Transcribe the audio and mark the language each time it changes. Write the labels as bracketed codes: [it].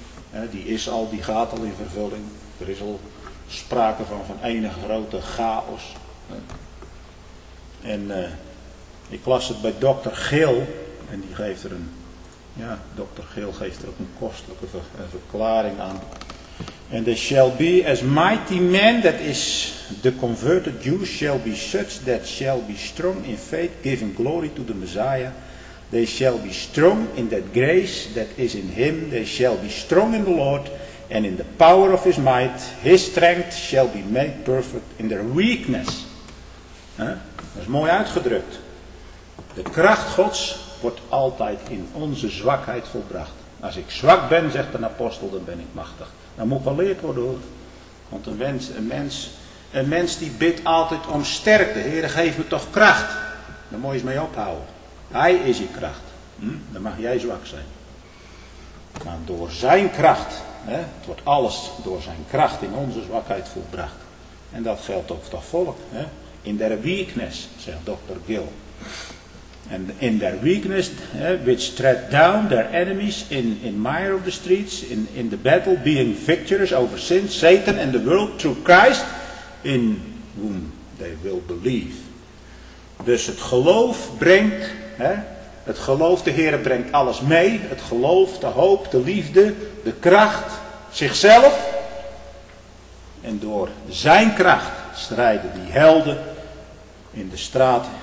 [nl] He, die is al, die gaat al in vervulling. Er is al sprake van enige grote chaos. He. En ik las het bij dokter Geel. En die geeft er een, ja, dokter Geel geeft er ook een kostelijke verklaring aan. [en] En there shall be as mighty men, that is the converted Jews, shall be such that shall be strong in faith, giving glory to the Messiah. They shall be strong in that grace that is in him. They shall be strong in the Lord and in the power of his might. His strength shall be made perfect in their weakness. [nl] Huh? Dat is mooi uitgedrukt. De kracht Gods wordt altijd in onze zwakheid volbracht. Als ik zwak ben, zegt een apostel, dan ben ik machtig. Dan moet wel geleerd worden hoor. Want een mens die bidt altijd om sterkte. Heere, geef me toch kracht. Dan moet je eens mee ophouden. Hij is je kracht. Dan mag jij zwak zijn. Maar door zijn kracht, hè, het wordt alles door zijn kracht in onze zwakheid volbracht. En dat geldt ook voor dat volk. Hè. [en] In their weakness, [nl] zegt dokter Gill. [en] And in their weakness, which tread down their enemies in mire of the streets, in the battle, being victorious over sin, Satan and the world through Christ, in whom they will believe. [nl] Dus het geloof brengt, hè, het geloof, de Heere brengt alles mee. Het geloof, de hoop, de liefde, de kracht, zichzelf. En door zijn kracht strijden die helden in de straat.